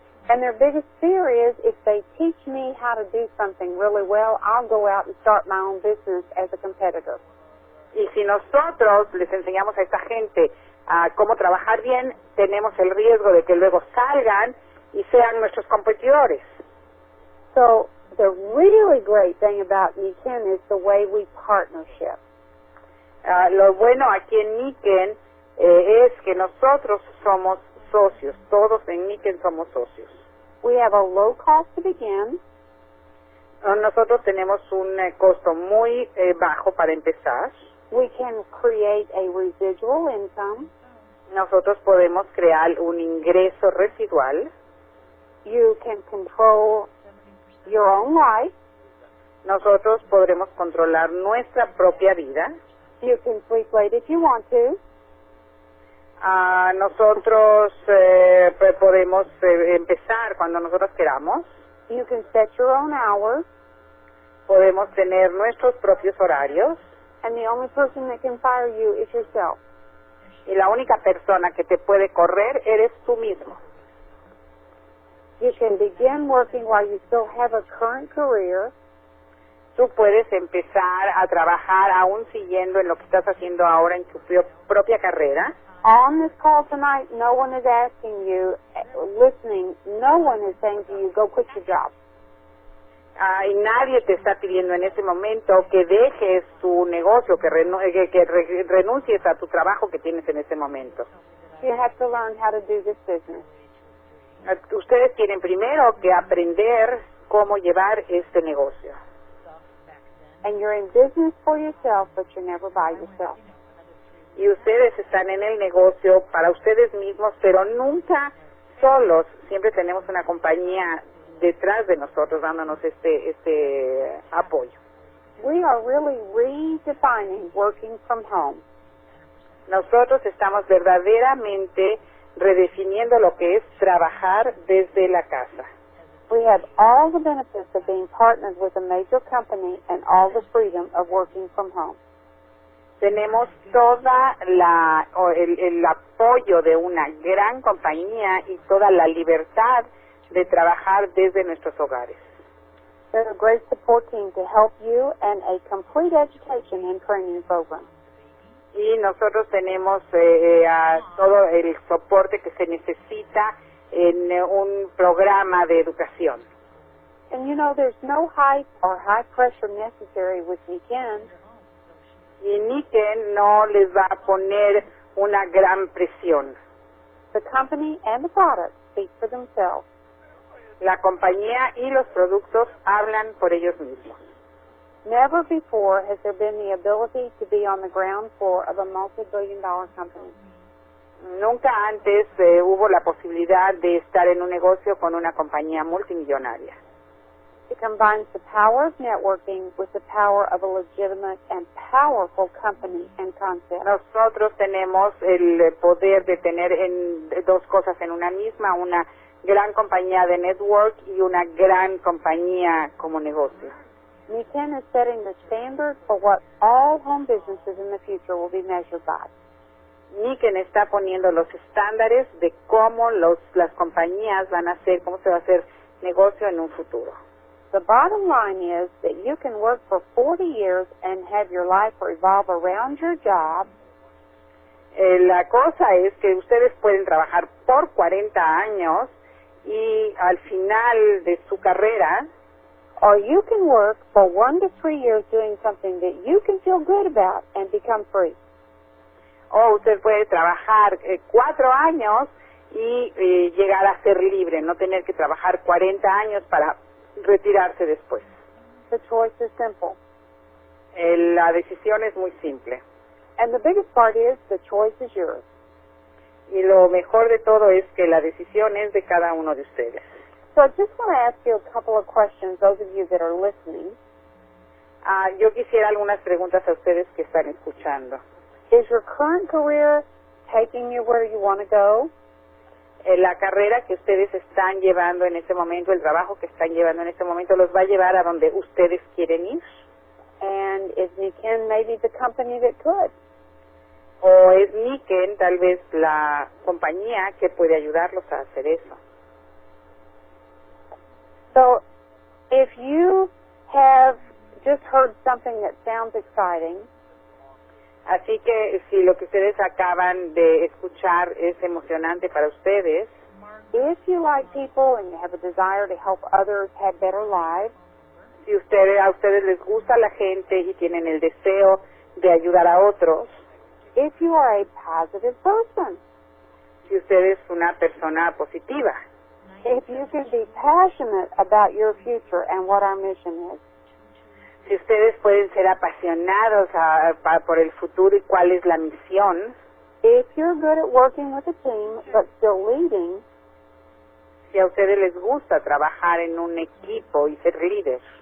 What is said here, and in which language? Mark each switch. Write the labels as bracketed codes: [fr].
[en] And their biggest fear is, if they teach me how to do something really well, I'll go out and start my own business as a competitor. [es] Y si nosotros les enseñamos a esta gente cómo trabajar bien, tenemos el riesgo de que luego salgan y sean nuestros competidores. [en] So the really great thing about Niken is the way we partnership. [es] Lo bueno aquí en Niken es que nosotros somos socios. Todos en Niken somos socios. [en] We have a low cost to begin. [es] Nosotros tenemos un costo muy bajo para empezar. [en] We can create a residual income. [es] Nosotros podemos crear un ingreso residual. [en] You can control your own life. [es] Nosotros podremos controlar nuestra propia vida. [en] You can sleep late if you want to. [es] Nosotros podemos empezar cuando nosotros queramos. [en] You can set your own hours. [es] Podemos tener nuestros propios horarios. [en] And the only person that can fire you is yourself. [es] Y la única persona que te puede correr eres tú mismo. [en] You can begin working while you still have a current career. [es] Tú puedes empezar a trabajar aún siguiendo en lo que estás haciendo ahora en tu propia carrera. [en] On this call tonight, no one is asking you, listening, no one is saying to you, go quit your job. [es] Y nadie te está pidiendo en este momento que dejes tu negocio, que renuncies a tu trabajo que tienes en este momento. [en] You have to learn how to do this business. [es] Ustedes tienen primero que aprender cómo llevar este negocio. [en] And you're in business for yourself, but you're never by yourself. [es] Y ustedes están en el negocio para ustedes mismos, pero nunca solos. Siempre tenemos una compañía detrás de nosotros dándonos este apoyo. [en] We are really redefining working from home. [es] Nosotros estamos verdaderamente redefiniendo lo que es trabajar desde la casa. [en] We have all the benefits of being partnered with a major company and all the freedom of working from home. [es] Tenemos toda el apoyo de una gran compañía y toda la libertad de trabajar desde nuestros hogares. [en] There's a great support team to help you and a complete education and training program. [es] Y nosotros tenemos todo el soporte que se necesita en un programa de educación. [en] And you know, there's no hype or high pressure necessary with Niken. [es] Y Niken no les va a poner una gran presión. [en] The company and the product speak for themselves. [es] La compañía y los productos hablan por ellos mismos. [en] Never before has there been the ability to be on the ground floor of a multi-billion dollar company. [es] Nunca antes hubo la posibilidad de estar en un negocio con una compañía multimillonaria. [en] It combines the power of networking with the power of a legitimate and powerful company and concept. [es] Nosotros tenemos el poder de tener en dos cosas en una misma, una gran compañía de network y una gran compañía como negocio. [en] Niken is setting the standard for what all home businesses in the future will be measured by. [es] Niken está poniendo los estándares de cómo las compañías van a hacer, cómo se va a hacer negocio en un futuro. [en] The bottom line is that you can work for 40 years and have your life revolve around your job. [es] La cosa es que ustedes pueden trabajar por 40 años y al final de su carrera. [en] Or you can work for 1 to 3 years doing something that you can feel good about and become free. [es] O usted puede trabajar 4 años y llegar a ser libre, no tener que trabajar 40 años para retirarse después. [en] The choice is simple. [es] La decisión es muy simple. [en] And the biggest part is the choice is yours. [es] Y lo mejor de todo es que la decisión es de cada uno de ustedes. [en] So I just want to ask you a couple of questions, those of you that are listening. [es] Yo quisiera algunas preguntas a ustedes que están escuchando. [en] Is your current career taking you where you want to go? [es] La carrera que ustedes están llevando en este momento, el trabajo que están llevando en este momento, los va a llevar a donde ustedes quieren ir. [en] And is Niken maybe the company that could? [es] O es Niken tal vez la compañía que puede ayudarlos a hacer eso. [en] So, if you have just heard something that sounds exciting. [es] Así que si lo que ustedes acaban de escuchar es emocionante para ustedes. [en] If you like people and you have a desire to help others have better lives. [es] Si ustedes, a ustedes les gusta la gente y tienen el deseo de ayudar a otros. [en] If you are a positive person. [es] Si usted es una persona positiva. [en] If you can be passionate about your future and what our mission is. [es] Si ustedes pueden ser apasionados por el futuro y cuál es la misión. [en] If you're good at working with a team, but still leading. [es] Si a ustedes les gusta trabajar en un equipo y ser líder.